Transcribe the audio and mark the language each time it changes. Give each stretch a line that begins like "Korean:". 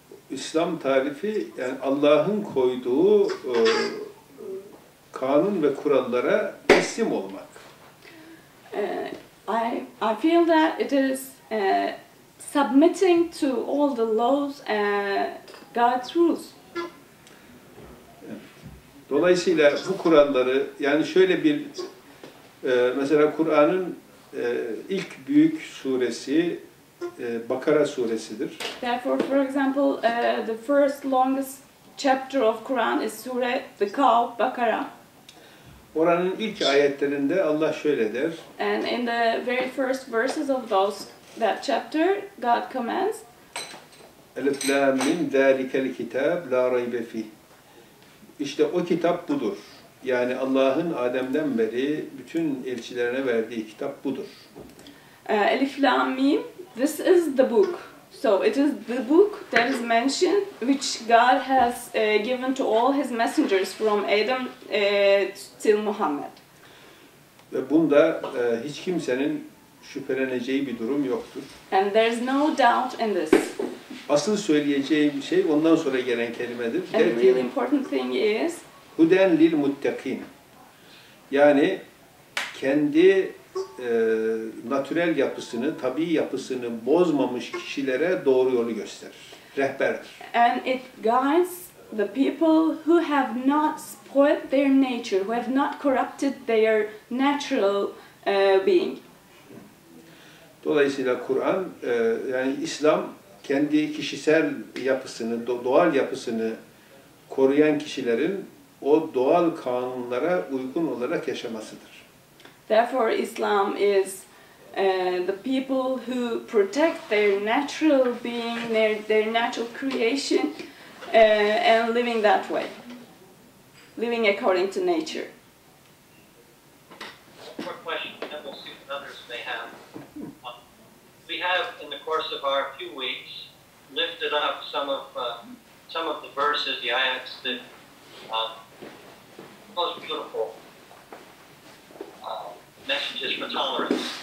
Turkish: İslam tarifi yani Allah'ın koyduğu kanun ve kurallara teslim olmak.
English: I feel that it is submitting to all the laws and God's rules.
Turkish: Dolayısıyla bu kuralları yani şöyle bir mesela Kur'an'ın ilk büyük suresi Bakara suresidir.
English: Therefore, for example, the first longest chapter of Quran is Sure the Kaf, Bakara.
Turkish: Oranın ilk ayetlerinde Allah şöyle der.
English: And in the very first verses of that chapter, God commands.
Arabic: Elif lam mim zalikel kitab la raybe fi.
Turkish: İşte o kitap budur. Yani Allah'ın Adem'den beri bütün elçilerine verdiği kitap budur.
Arabic: Elif lam mim,
English: this is the book. So it is the book that is mentioned, which God has given to all His messengers from Adam till Muhammad.
Turkish: Ve bunda hiç kimsenin şüpheleneceği bir durum yoktur.
English: And there is no doubt in this.
Turkish: Asıl söyleyeceğim şey ondan sonra gelen kelimedir.
English: And the real important thing is.
Arabic: Huden lil muttakin.
Turkish: Yani kendi natürel yapısını, tabii yapısını bozmamış kişilere doğru yolu gösterir. Rehberdir.
English: And it guides the people who have not spoiled their nature, who have not corrupted their natural being.
Turkish: Dolayısıyla Kur'an, yani İslam kendi kişisel yapısını, doğal yapısını koruyan kişilerin o doğal kanunlara uygun olarak yaşamasıdır.
English: Therefore, Islam is the people who protect their natural being, their natural creation, and living that way, living according to nature. Quick question, and we'll see what others may have. We have, in the course of our few weeks, lifted up some of the verses, the ayats that most beautiful messages for tolerance.